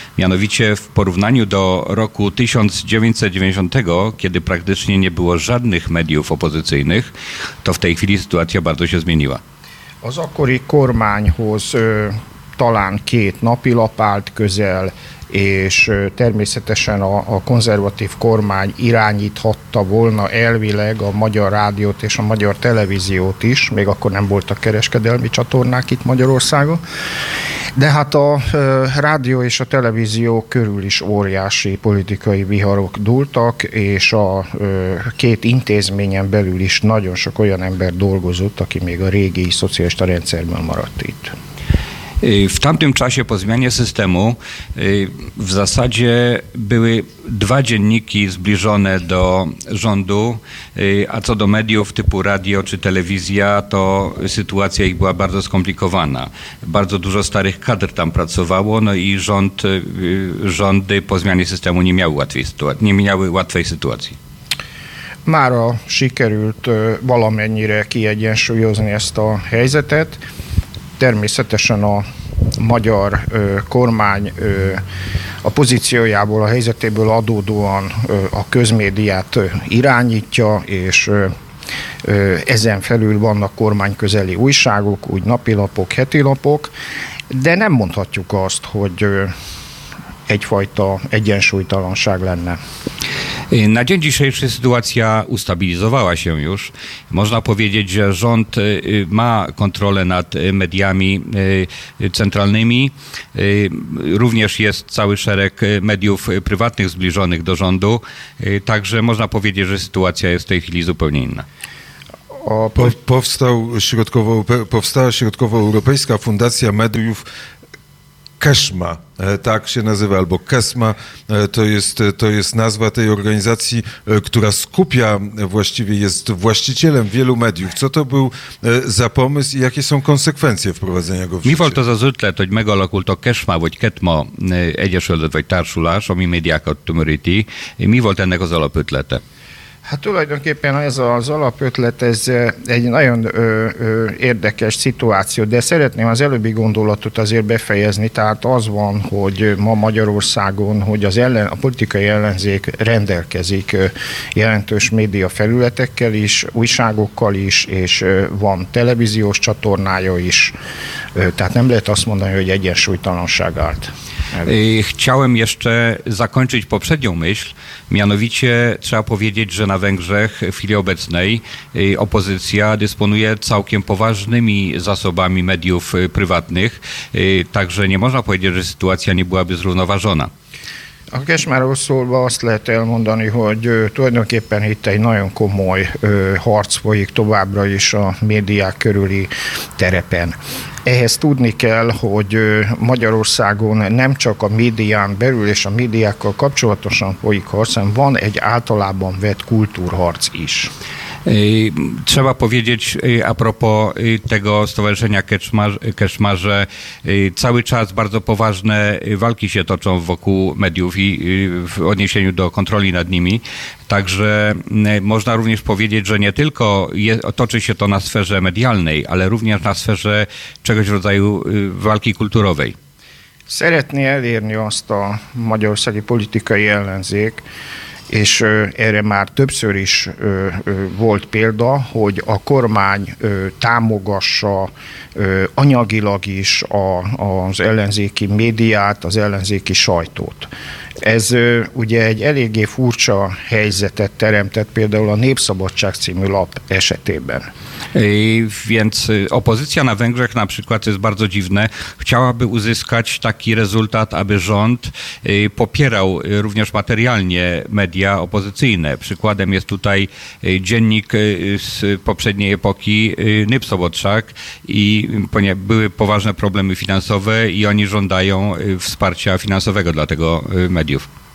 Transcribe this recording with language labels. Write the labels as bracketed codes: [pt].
[pl] Mianowicie w porównaniu do roku 1990, kiedy praktycznie nie było żadnych mediów opozycyjnych, to w tej chwili sytuacja bardzo się zmieniła. [hu] Az akkori kormányhoz talán két napilap állt közel, és természetesen a konzervatív kormány irányíthatta volna elvileg a magyar rádiót és a magyar televíziót is, még akkor nem voltak kereskedelmi csatornák itt Magyarországon, de hát a rádió és a televízió körül is óriási politikai viharok dúltak, és a két intézményen belül is nagyon sok olyan ember dolgozott, aki még a régi szocialista rendszerben maradt itt. [pl] W tamtym czasie po zmianie systemu w zasadzie były dwa dzienniki zbliżone do rządu, a co do mediów typu radio czy telewizja, to sytuacja ich była bardzo skomplikowana. Bardzo dużo starych kadr tam pracowało, no i rządy po zmianie systemu nie miały łatwej sytuacji. [hu] Mára sikerült valamennyire kiegyensúlyozni ezt a helyzetet. Természetesen a magyar kormány a pozíciójából, a helyzetéből adódóan a közmédiát irányítja, és ezen felül vannak kormányközeli újságok, úgy napilapok, hetilapok, de nem mondhatjuk azt, hogy egyfajta egyensúlytalanság lenne. [pl] Na dzień dzisiejszy sytuacja ustabilizowała się już. Można powiedzieć, że rząd ma kontrolę nad mediami centralnymi. Również jest cały szereg mediów prywatnych zbliżonych do rządu. Także można powiedzieć, że sytuacja jest w tej chwili zupełnie inna. Powstała Środkowoeuropejska Fundacja Mediów Keszma, tak się nazywa, albo Kesma, to jest nazwa tej organizacji, która skupia, właściwie jest właścicielem wielu mediów. Co to był za pomysł i jakie są konsekwencje wprowadzenia go w życie? [hu] Mivel az ötlet, hogy megalakult a Kesma, vagy Ketma egyesület, vagy társulás, ami médiákat tömöríti, mi volt ennek az alapötlete? Hát tulajdonképpen ez az alapötlet, ez egy nagyon érdekes szituáció, de szeretném az előbbi gondolatot azért befejezni, tehát az van, hogy ma Magyarországon, hogy a politikai ellenzék rendelkezik jelentős média felületekkel is, újságokkal is, és van televíziós csatornája is, tehát nem lehet azt mondani, hogy egyensúlytalanság állt. [pl] Chciałem jeszcze zakończyć poprzednią myśl, mianowicie trzeba powiedzieć, że na Węgrzech w chwili obecnej opozycja dysponuje całkiem poważnymi zasobami mediów prywatnych, także nie można powiedzieć, że sytuacja nie byłaby zrównoważona. [hu] A Kesmáról szólva azt lehet elmondani, hogy tulajdonképpen itt egy nagyon komoly harc folyik továbbra is a médiák körüli terepen. Ehhez tudni kell, hogy Magyarországon nem csak a médián belül és a médiákkal kapcsolatosan folyik harc, hanem van egy általában vett kultúrharc is. [pl] Trzeba powiedzieć a propos tego stowarzyszenia Kesma, że cały czas bardzo poważne walki się toczą wokół mediów i w odniesieniu do kontroli nad nimi. Także można również powiedzieć, że nie tylko toczy się to na sferze medialnej, ale również na sferze czegoś w rodzaju walki kulturowej. [hu] szeretné elérni azt a magyarországi politikai ellenzék, és erre már többször is volt példa, hogy a kormány támogassa anyagilag is az ellenzéki médiát, az ellenzéki sajtót. Ez ugye egy eléggé furcsa helyzetet teremtett például a Népszabadság című lap esetében. [pl] Więc opozycja na Węgrzech na przykład jest bardzo dziwne. Chciałaby uzyskać taki rezultat, aby rząd popierał również materialnie media opozycyjne. Przykładem jest tutaj dziennik z poprzedniej epoki Népszabadság i były poważne problemy finansowe i oni żądają wsparcia finansowego dla tego mediów.